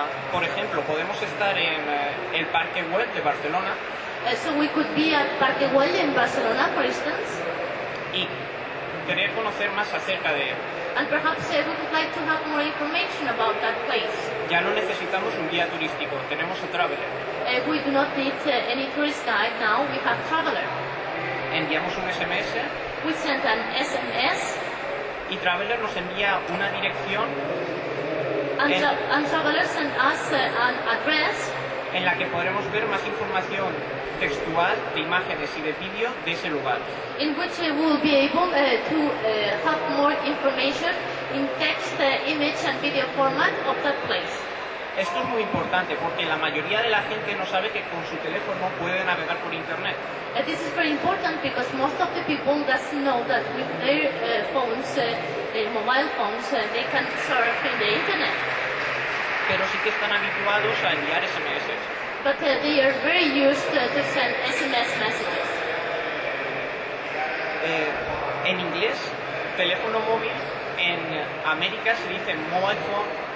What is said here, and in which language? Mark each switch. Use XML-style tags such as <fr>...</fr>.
<es>Por ejemplo, podemos estar en el Parque Güell de Barcelona.</es> <en>So we could be at Parque Güell in Barcelona, for instance.</en> <es>Y querer conocer más acerca de él.</es> <en>And perhaps we would like to have more information about that place.</en> <es>Ya no necesitamos un guía turístico, tenemos a traveler.</es> <en>We do not need any tourist guide now, we have traveler.</en> <es>Enviamos un SMS.</es> <en>We send an SMS.</en> <es>Y traveler nos envía una dirección.</es> <en>And traveler send us an address.</en> <es>En la que podremos ver más información textual, de imágenes y de vídeo de ese lugar.</es> <en>In which we will be able to have more information in text, image and video format of that place.</en> <es>Esto es muy importante porque la mayoría de la gente no sabe que con su teléfono puede navegar por internet.</es> <en>This is very important because most of the people doesn't know that with their phones, their mobile phones, they can surf in the internet.</en> <es>Pero sí que están habituados a enviar SMS.</es> <en>But they are very used to send SMS messages.</en> <es>En inglés, teléfono móvil, en América se dice</es> <en>mobile phone.</en>